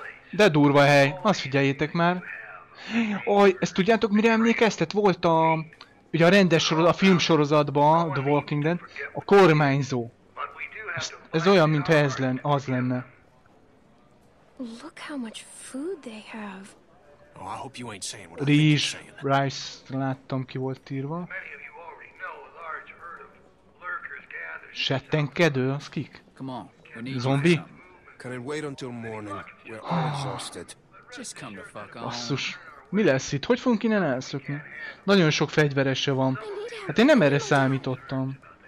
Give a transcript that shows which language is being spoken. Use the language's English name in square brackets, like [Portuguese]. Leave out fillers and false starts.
[Hungarian] De durva hely. Azt figyeljétek már. Oj, ezt tudjátok, mire emlékeztet? Volt a, ugye a rendes sorozat, a film sorozatban, The Walking Dead, a kormányzó. Ez olyan, mintha ez lenne, az lenne. [English] Look how much food they have. Oh, I hope you ain't saying what I think you're saying. [Hungarian] Rice, láttam, ki volt írva. Settenkedő, az kik? Zombi? [English] Can I wait until morning? We're all exhausted. Just come the fuck on. Basszus, [Hungarian] Mi lesz itt? Hogy fogunk innen elszökni? Nagyon sok fegyverese van. Hát én nem erre számítottam.